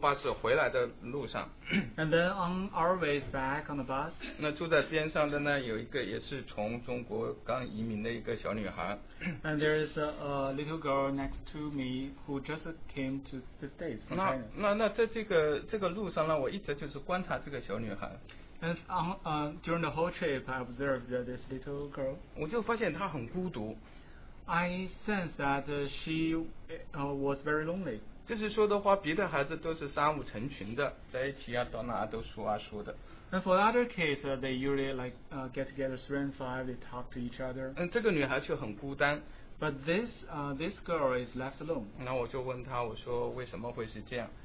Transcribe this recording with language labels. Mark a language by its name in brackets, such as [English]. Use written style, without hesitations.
[Chinese] 然后我就这样子呢，我在这个坐巴士回来的路上。 [English] And then on our way back on the bus. [Chinese] 那住在边上的呢，有一个也是从中国刚移民的一个小女孩。 [English] And there is a little girl next to me who just came to the States from China. [Chinese] 那在这个路上呢，我一直就是观察这个小女孩。 [English] And on during the whole trip, I observed this little girl. [Chinese] 我就发现她很孤独。 [English] I sense that she was very lonely. [Chinese] 就是说的话，别的孩子都是三五成群的，在一起啊，到哪都说啊说的。 [English] And for other kids, they usually like get together 3 and 5, they talk to each other. [Chinese] 这个女孩却很孤单。 [English] But this girl is left alone. [Chinese] 那我就问她，我说为什么会是这样？